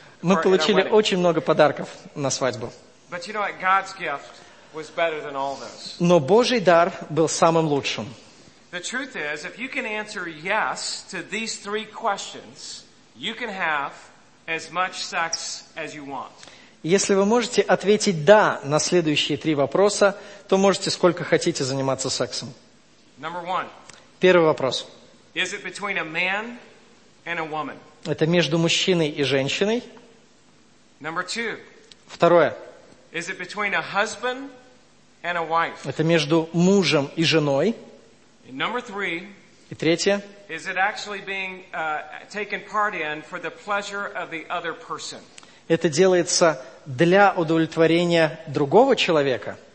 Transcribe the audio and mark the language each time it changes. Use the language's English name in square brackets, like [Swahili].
[Russian] Мы получили очень много подарков на свадьбу. [English] But you know what? God's gift was better than all those. [Russian] Но Божий дар был самым лучшим. [English] The truth is, if you can answer yes to these three questions, you can have as much sex as you want. [Russian] Если вы можете ответить «да» на следующие три вопроса, то можете сколько хотите заниматься сексом. [English] Number one. [Russian] Первый вопрос. [English] Is it between a man and a woman? [Russian] Это между мужчиной и женщиной. [English] Number two. [Russian] Второе. [English] Is it between a husband and a wife? [Russian] Это между мужем и женой. [English] And number three. [Russian] И третье. [English] Is it actually being taken part in for the pleasure of the other person? [Russian] Это делается для удовлетворения другого человека.